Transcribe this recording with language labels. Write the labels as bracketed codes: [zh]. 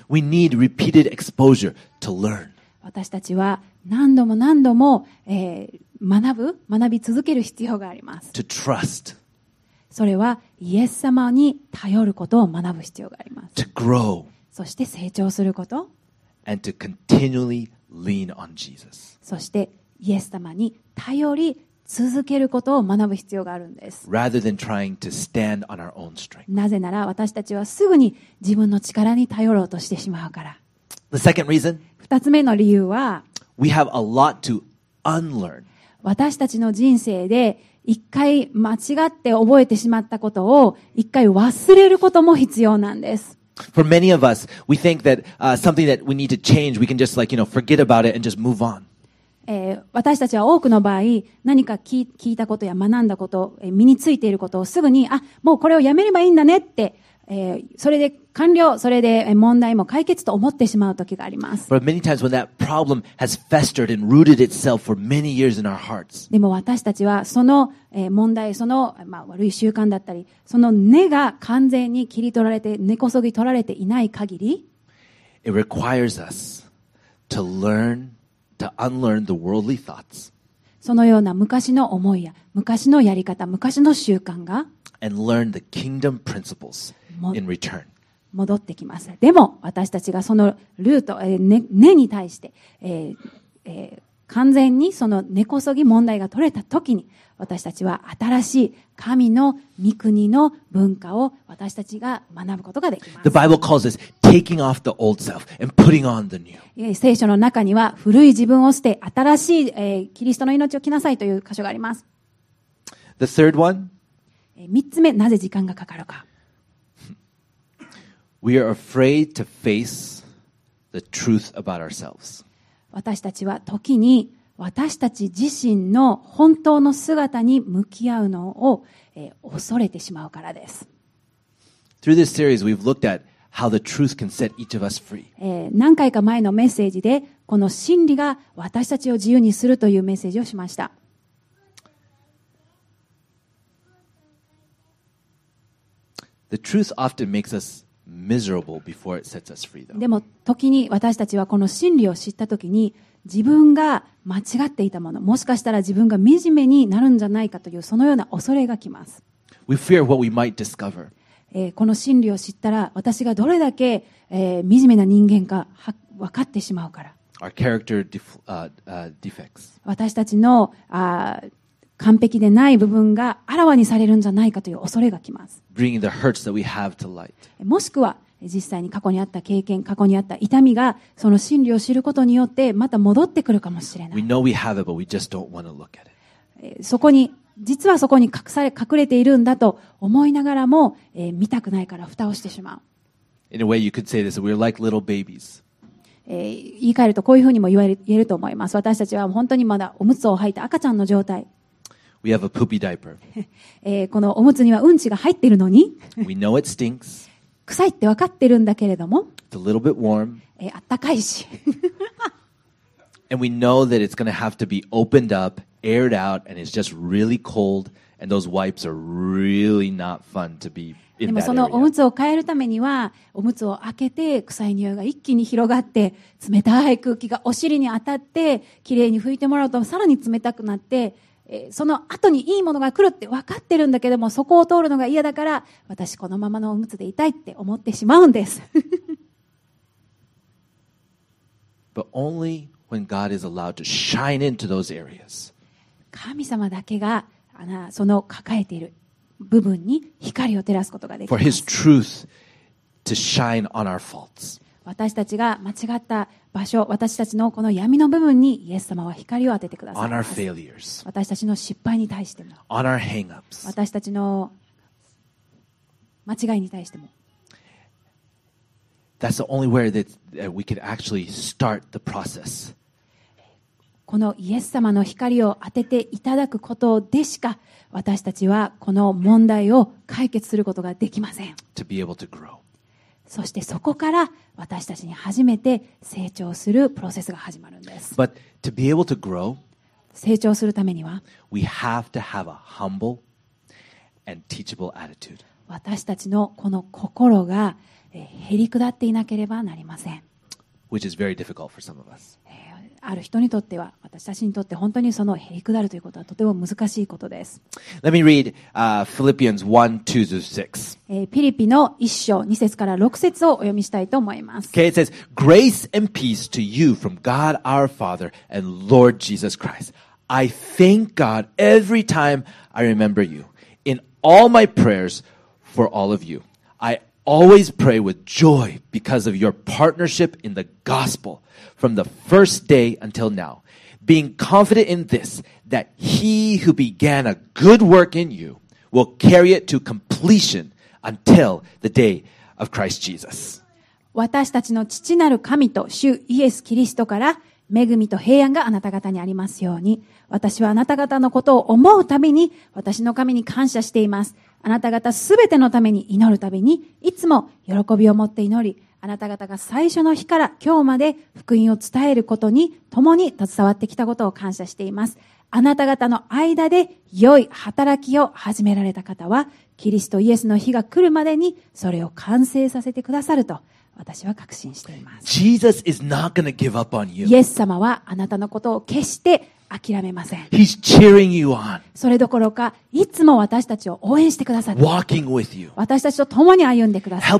[en] We need repeated exposure to learn. [ja] 私たちは何度も何度も、学び続ける必要があります。 [en] To trust. [ja] それはイエス様に頼ることを学ぶ必要があります。 [en] To grow. [ja] そして成長すること。 [en] And to continually lean on Jesus. [ja] そしてイエス様に頼り続けることを学ぶ必要があるんです。 [en] Rather than trying to stand on our own strength. [ja] なぜなら私たちはすぐに自分の力に頼ろうとしてしまうから。 [en] The second reason. [ja] 二つ目の理由は。 [en] We have a lot to unlearn. [ja] 私たちの人生で一回間違って覚えてしまったことを一回忘れることも必要なんです。 [en] For many of us, we think that something that we need to change, we can just like, you know, forget about it and just move on. [ja] 私たちは多くの場合、何か聞いたことや学んだこと、身についていることをすぐに、あ、もうこれをやめればいいんだねって、それで完了、それで問題も解決と思ってしまう時があります。 [en] But many times when that problem has festered and rooted itself for many years in our hearts. [ja] でも私たちはその問題、その悪い習慣だったり、その根が完全に切り取られて、根こそぎ取られていない限り、 [en] It requires us to learn, to unlearn the worldly thoughts. [ja] そのような昔の思いや、昔のやり方、昔の習慣が、 [en] And learn the kingdom principles in return. [ja] 戻ってきます。でも私たちがそのルート、根に対して、完全にその根こそぎ問題が取れたときに、私たちは新しい神の御国の文化を私たちが学ぶことができます。 [en] The Bible calls this taking off the old self and putting on the new. [ja] 聖書の中には古い自分を捨て新しい、キリストの命を着なさいという箇所があります。 [en] The third one. [ja] 3つ目、なぜ時間がかかるか。 [en] We are afraid to face the truth about ourselves. [ja] 私たちは時に私たち自身の本当の姿に向き合うのを、恐れてしまうからです。 [en] Through this series, we've looked at how the truth can set each of us free. [ja] 何回か前のメッセージで、この真理が私たちを自由にするというメッセージをしました。 [en] The truth often makes us miserable before it sets us free, though. [ja] でも時に私たちはこの真理を知った時に自分が間違っていたもの、もしかしたら自分が惨めになるんじゃないかというそのような恐れがきます。 [en] We fear what we might discover. [ja] この真理を知ったら私がどれだけ、惨めな人間か分かってしまうから。 [en] Our character defects. [ja] 私たちの完璧でない部分があらわにされるんじゃないかという恐れがきます。 [en] Bringing the hurts that we have to light. [ja] もしくは実際に過去にあった経験、過去にあった痛みがその真理を知ることによってまた戻ってくるかもしれない。 [en] We know we have it, but we just don't want to look at it. [ja] そこに実はそこに隠れているんだと思いながらも、見たくないから蓋をしてしまう。 [en] In a way, you could say this: we're like little babies. [ja] 言い換えるとこういうふうにも言えると思います。私たちは本当にまだおむつを履いた赤ちゃんの状態。 [en] We have a poopy diaper. [ja] このおむつにはうんちが入っているのに。 [en] We know it stinks. [ja] 臭いって分かってるんだけれども。 [en] It's a little bit warm. [ja] あったかいし。 [en] And we know that it's going to have to be opened up. Aired out, and it's just really cold, and those wipes are really not fun to be in that area. [ja] でもそのおむつを変えるためには、おむつを開けて臭い匂いが一気に広がって、冷たい空気がお尻に当たって、きれいに拭いてもらうとさらに冷たくなって、その後にいいものが来るって分かってるんだけども、そこを通るのが嫌だから、私このままのおむつでいたいって思ってしまうんです。 [en] But only when God is allowed to shine into those areas. [ja] 神様だけがその抱えている部分に光を照らすことができます。 [en] For his truth to shine on our faults. [ja] 私たちが間違った場所、私たちのこの闇の部分にイエス様は光を当ててくださいます。 [en] On our failures. [ja] 私たちの失敗に対しても。 [en] On our hang-ups. [ja] 私たちの間違いに対しても。 [en] That's the only way that we could actually start the process. [ja] このイエス様の光を当てていただくことでしか私たちはこの問題を解決することができません。 [en] To be able to grow. [ja] そしてそこから私たちに初めて成長するプロセスが始まるんです。 [en] But to be able to grow, [ja] 成長するためには [en] we have to have a humble and teachable attitude. [ja] 私たちのこの心が減り下っていなければなりません。 [en] Which is very difficult for some of us. [ja] ある人にとっては、私たちにとって本当にそのへりくだるということはとても難しいことです。 [en] Let me read Philippians 1:2-6. [ja] ピリピの一章二節から六節をお読みしたいと思います。 [en] Okay, it says, "Grace and peace to you from God our Father and Lord Jesus Christ. I thank God every time I remember you in all my prayers for all of you. I always pray with joy because of your partnership in the gospel." From the first day until now, being confident in this, that he who began a good work in you will carry it to completion until the day of Christ Jesus. [ja] 私たちの父なる神と主イエス・キリストから恵みと平安があなた方にありますように、私はあなた方のことを思うために私の神に感謝しています。あなた方すべてのために祈るために、いつも喜びを持って祈り、あなた方が最初の日から今日まで福音を伝えることに共に携わってきたことを感謝しています。あなた方の間で良い働きを始められた方は、キリストイエスの日が来るまでにそれを完成させてくださると私は確信しています。 [en] Jesus is not going to give up on you. [ja] イエス様はあなたのことを決して諦めません。 [en] He's cheering you on. [ja] それどころか、いつも私たちを応援してくださる。 [en] Walking with you. [ja] 私たちと共に歩んでくださる。